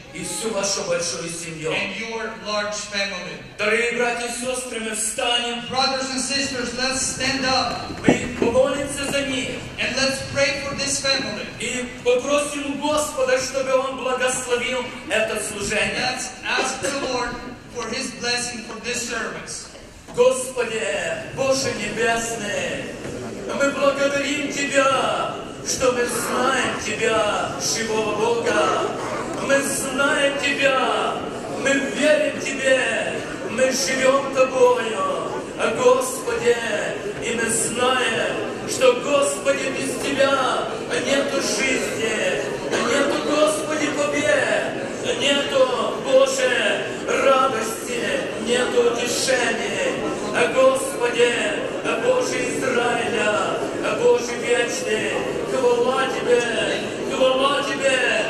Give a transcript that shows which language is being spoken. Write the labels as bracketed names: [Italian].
[Russian] И всю вашу большую семью. [English] And your large family. [Russian] Дорогие братья и сестры, мы встанем. [English] Brothers and sisters, let's stand up. [Russian] Мы помолимся за них. [English] And let's pray for this family. [Russian] И попросим Господа, чтобы Он благословил это служение. [English] Let's ask the Lord for His blessing for this service. [Russian] Господи, Боже Небесный, мы благодарим Тебя, что мы знаем Тебя, живого Бога. Мы знаем Тебя, мы верим Тебе, мы живем Тобою, Господи, и мы знаем, что, Господи, без Тебя нету жизни, нету, Господи, побед, нету, Боже, радости, нету утешения, Господи, Боже Израиля, Боже вечный, хвала Тебе, хвала Тебе.